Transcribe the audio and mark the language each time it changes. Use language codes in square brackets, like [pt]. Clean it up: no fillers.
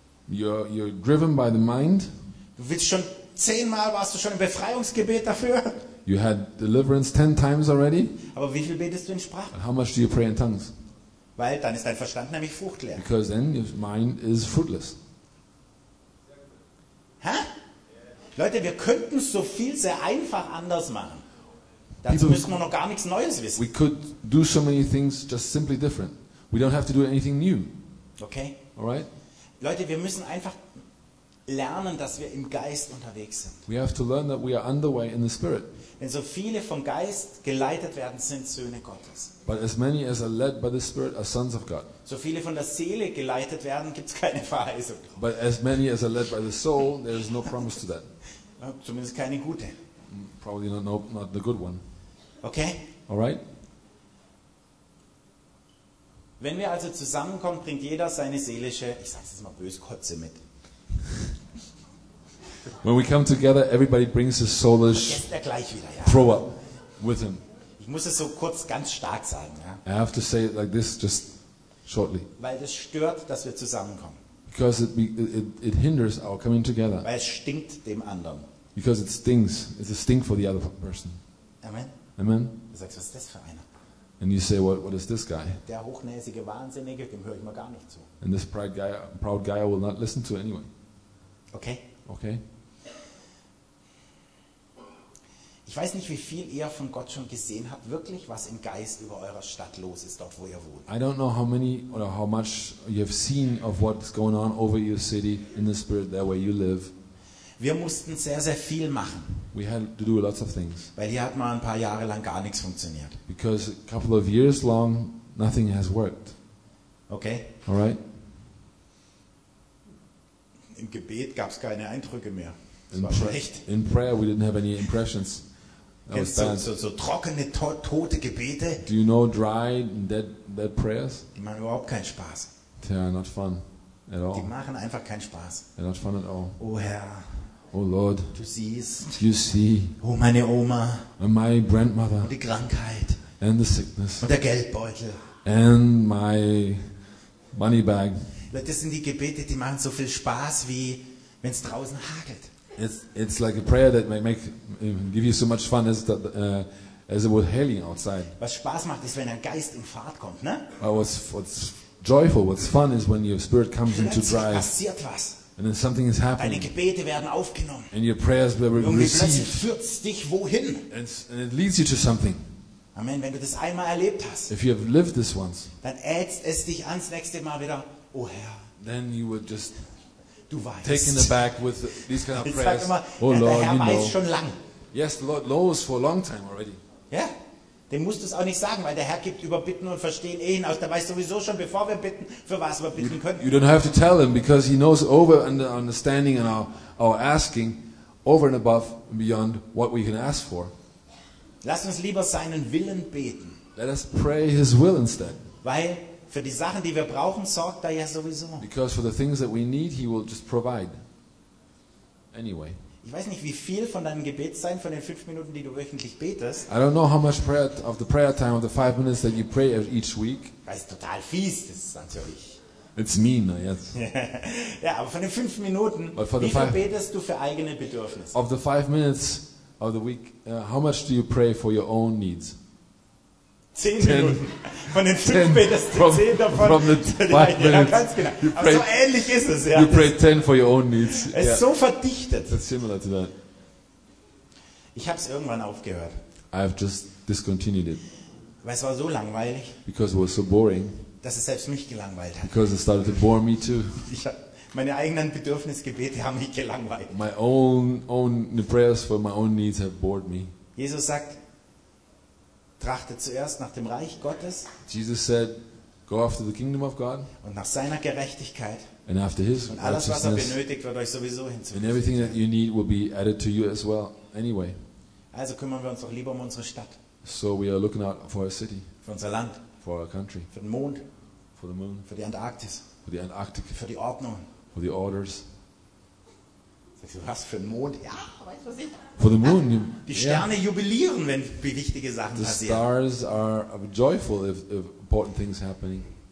[en] You're driven by the mind. [de] Du willst schon 10-mal warst du schon im Befreiungsgebet dafür. [en] You had deliverance 10 times already. [de] Aber wie viel betest du in Sprachen? [en] And how much do you pray in tongues? [de] Weil dann ist dein Verstand nämlich fruchtleer. [en] Because then your mind is fruitless. Hä? [de] Leute, wir könnten so viel sehr einfach anders machen. Dazu müssen wir noch gar nichts Neues wissen. [en] We could do so many things just simply different. We don't have to do anything new. Okay. All right? [de] Leute, wir müssen einfach lernen, dass wir im Geist unterwegs sind. [en] We have to learn that we are underway in the Spirit. [de] Wenn so viele vom Geist geleitet werden, sind Söhne Gottes. [en] But as many as are led by the Spirit are sons of God. [de] So viele von der Seele geleitet werden, gibt's keine Verheißung. [en] But as many as are led by the soul, there is no promise to that. [de] Zumindest keine gute. [en] Probably not the good one. Okay. All right. [de] Wenn wir also zusammenkommen, bringt jeder seine seelische, ich sag's jetzt mal böse, Kotze mit. [en] When we come together, everybody brings his soulish throw up with him. [de] Ich muss es so kurz ganz stark sagen. [en] I have to say it like this, just shortly. [de] Weil es stört, dass wir zusammenkommen. [en] Because it hinders our coming together. [de] Weil es stinkt dem anderen. [en] Because it stinks. It's a stink for the other person. Amen. Amen. [de] Du sagst, was ist das für einer? [en] And you say, what is this guy? [de] Der hochnäsige Wahnsinnige, dem höre ich mal gar nicht zu. [en] And this proud guy, I will not listen to anyway. Okay. Okay. [de] Ich weiß nicht, wie viel ihr von Gott schon gesehen habt, wirklich, was im Geist über eurer Stadt los ist, dort, wo ihr wohnt. [en] I don't know how many or how much you have seen of what's going on over your city in the spirit there where you live. [de] Wir mussten sehr, sehr viel machen. [en] We had to do lots of things. [de] Weil hier hat mal ein paar Jahre lang gar nichts funktioniert. [en] Because a couple of years long, nothing has worked. Okay. All right. [de] Im Gebet gab es keine Eindrücke mehr. Das war schlecht. [en] In prayer we didn't have any impressions. [de] So trockene, tote Gebete. [en] Do you know dry, dead prayers? [de] Die machen überhaupt keinen Spaß. [en] They're not fun at all. [de] Die machen einfach keinen Spaß. [en] They're not fun at all. [de] Oh Herr. [en] Oh Lord. [de] Du siehst. [en] You see. [de] Oh meine Oma. [en] And my grandmother. [de] Und die Krankheit. [en] And the sickness. [de] Und der Geldbeutel. [en] And my money bag. [de] Das sind die Gebete, die machen so viel Spaß, wie wenn es draußen hagelt. [en] It's like a prayer that give you so much fun as it would hailing outside. [de] Was Spaß macht, ist, wenn ein Geist in Fahrt kommt, ne? [en] What's joyful, what's fun is when your spirit comes into drive. [de] Plötzlich passiert was. [en] And then something is happening. [de] Deine Gebete werden aufgenommen. [en] And your prayers will be received. [de] Und plötzlich führt's dich wohin. [en] And it leads you to something. [de] Amen, wenn du das einmal erlebt hast. [en] If you have lived this once. [de] Dann ätzt es dich ans nächste Mal wieder. Oh Herr, [en] then you would just [de] du weißt. [en] Taken aback with these kind of prayers. [de] Immer, oh ja, [en] Lord, you know. [de] Schon lang. [en] Yes, the Lord knows for a long time already. [de] Ja, dem musst du es auch nicht sagen, weil der Herr gibt über Bitten und Verstehen eh hinaus. Der weiß sowieso schon, bevor wir bitten, für was wir bitten können. [en] You don't have to tell him because he knows over and understanding and our asking over and above and beyond what we can ask for. [de] Lass uns lieber seinen Willen beten. [en] Let us pray his will instead. [de] Weil für die Sachen, die wir brauchen, sorgt er ja sowieso. [en] Because for the things that we need, he will just provide. Anyway. [de] Ich weiß nicht, wie viel von deinem Gebet sein, von den 5 Minuten, die du wöchentlich betest. [en] I don't know how much prayer of the prayer time of the 5 minutes that you pray each week. [de] Das ist total fies, das ist natürlich. [en] It's mean, yes. [de] Ja, aber von den 5 Minuten, wie viel betest du für eigene Bedürfnisse? [en] Of the 5 minutes of the week, how much do you pray for your own needs? [de] 10 Minuten. Von den 5 betest du 10 davon. [en] From the 5 minutes, [de] ja, ganz genau. Aber so ähnlich ist es, ja. [en] You pray 10 for your own needs. [de] Es ist so verdichtet. [en] It's similar to that. [de] Ich habe es irgendwann aufgehört. [en] I've just discontinued it. [de] Weil es war so langweilig. [en] Because it was so boring. [de] Dass es selbst mich gelangweilt hat. [en] Because it started to bore me too. [de] Meine eigenen Bedürfnisgebete haben mich gelangweilt. [en] My own the prayers for my own needs have bored me. [de] Jesus sagt, trachte zuerst nach dem Reich Gottes. [en] Jesus said, go after the kingdom of God. [de] Und nach seiner Gerechtigkeit. [en] And after his [de] und alles, was er benötigt, wird euch sowieso hinzugefügt. [en] And everything that you need will be added to you as well, anyway. [de] Also kümmern wir uns doch lieber um unsere Stadt. [en] So we are looking out for our city. [de] Für unser Land. [en] For our country. [de] Für den Mond. [en] For the moon. [de] Für die Antarktis. [en] For the Antarctic. [de] Für die Ordnung. [en] For the orders. [de] Was für ein Mond? Ja, weißt du was ich? [en] For the moon. [de] Ja, die Sterne jubilieren, wenn wichtige Sachen passieren. [en] The stars are joyful if important things happening.